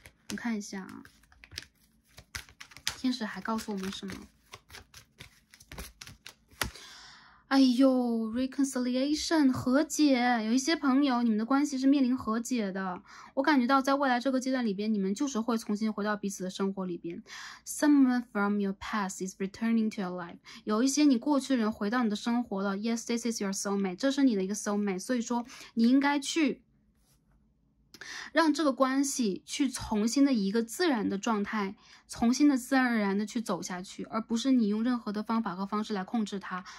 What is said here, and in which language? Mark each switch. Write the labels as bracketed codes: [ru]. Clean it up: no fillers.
[zh] 你看一下啊，天使还告诉我们什么。哎呦 ，reconciliation 和解，有一些朋友，你们的关系是面临和解的。我感觉到，在未来这个阶段里边，你们就是会重新回到彼此的生活里边。 [en] Someone from your past is returning to your life。 [zh] 有一些你过去的人回到你的生活了。 [en] Yes, this is your soulmate。 [zh] 这是你的一个 soulmate。所以说，你应该去让这个关系去重新的一个自然的状态，重新的自然而然的去走下去，而不是你用任何的方法和方式来控制它。